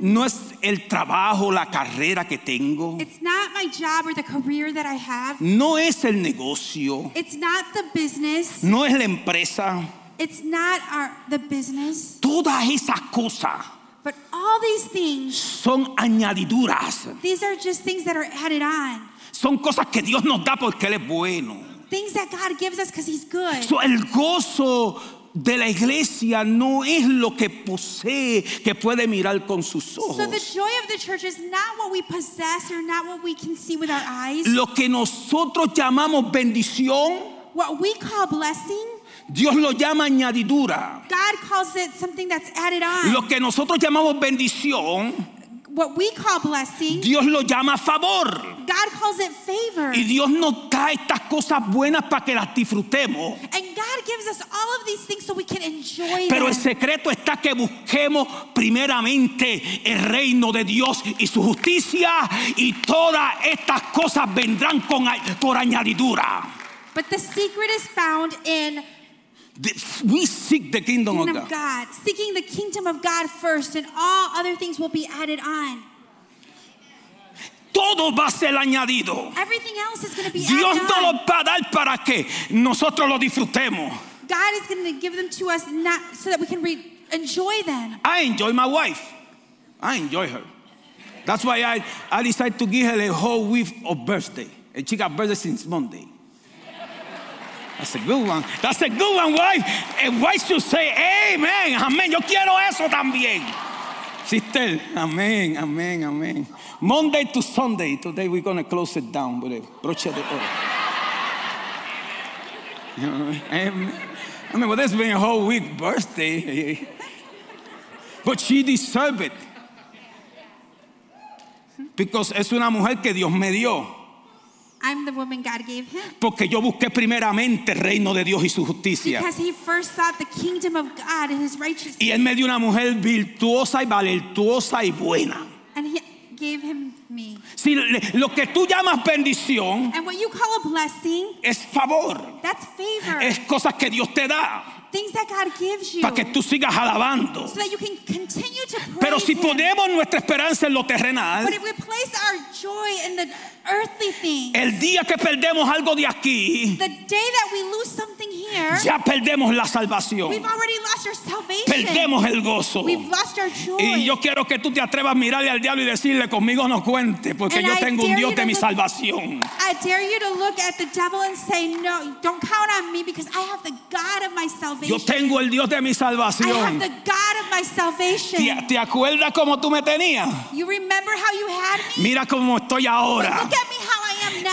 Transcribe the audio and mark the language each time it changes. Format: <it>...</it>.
<es>No es el trabajo, la carrera que tengo.</es> <en>It's not my job or the career that I have.</en> <es>No es el negocio.</es> <en>It's not the business.</en> <es>No es la empresa.</es> <en>It's not the business.</en> <es>Toda esa cosa.</es> <en>But all these things.</en> <es>Son añadiduras.</es> <en>These are just things that are added on.</en> <es>Son cosas que Dios nos da porque Él es bueno.</es> <en>Things that God gives us because He's good.</en> <es>So el gozo de la iglesia no es lo que posee que puede mirar con sus ojos.</es> <en>So the joy of the church is not what we possess or not what we can see with our eyes.</en> <es>Lo que nosotros llamamos bendición.</es> <en>What we call blessing.</en> <es>Dios lo llama añadidura.</es> <en>God calls it something that's added on.</en> <es>Lo que nosotros llamamos bendición.</es> <en>What we call blessing.</en> <es>Dios lo llama favor.</es> <en>God calls it favor.</en> <es>Y Dios nos da estas cosas buenas para que las disfrutemos.</es> <en>And God gives us all of these things so we can enjoy them.</en> <es>Pero el secreto está que busquemos primeramente el reino de Dios y su justicia y todas estas cosas vendrán por añadidura.</es> <en>But the secret is found in we seek the kingdom of God. Seeking the kingdom of God first, and all other things will be added on. Todo va a ser añadido. Everything else is going to be</en> <es>Dios</es> <en>added on.</en> <es>Dios no lo va a dar para que nosotros lo disfrutemos.</es> <en>God is going to give them to us not so that we can enjoy them. I enjoy my wife. I enjoy her. That's why I decided to give her a whole week of birthday. And she got birthday since Monday. That's a good one. That's a good one, wife. A wife should say, amen, amen.</en> <es>Yo quiero eso también. Sister, amen, amen, amen.</es> <en>Monday to Sunday. Today we're going to close it down with a</en> <es>broche de oro.</es> <en>You know what I mean? Amen. I mean, well, this has been a whole week birthday. But she deserved it. Because</en> <es>es una mujer que Dios me dio.</es> <en>I'm the woman God gave him.</en> <es>Porque yo busqué primeramente el reino de Dios y su justicia.</es> <en>Because he first sought the kingdom of God and his righteousness.</en> <es>Y él me dio una mujer virtuosa y valerosa y buena.</es> <en>And he gave him me.</en> <es>Si, lo que tú llamas bendición,</es> <en>and what you call a blessing,</en> <es>es favor.</es> <en>That's favor.</en> <es>Es cosas que Dios te da.</es> <en>Things that God gives you.</en> <es>Para que tú sigas alabando.</es> <en>So that you can continue to praise him.</en> <es>Pero si ponemos nuestra esperanza en lo terrenal,</es> <en>but if we place our joy in the earthly things,</en> <es>el día que perdemos algo de aquí,</es> <en>the day that we lose something here,</en> <es>ya perdemos la salvación.</es> <en>We've already lost our salvation.</en> <es>Perdemos el gozo.</es> <en>We've lost our joy.</en> <es>Y yo quiero que tú te atrevas a mirarle al diablo y decirle, conmigo no cuente, porque</es> <en>and</en> <es>yo tengo un Dios de mi salvación.</es> <en>I dare you to look at the devil and say, no, don't count on me because I have the God of my salvation.</en> <es>Yo tengo el Dios de mi salvación.</es> <en>I have the God of my salvation.</en> <es>¿Te acuerdas cómo tú me tenías?</es> <en>You remember how you had me?</en> <es>Mira cómo estoy ahora.</es> <en>But look at me how I am now.</en>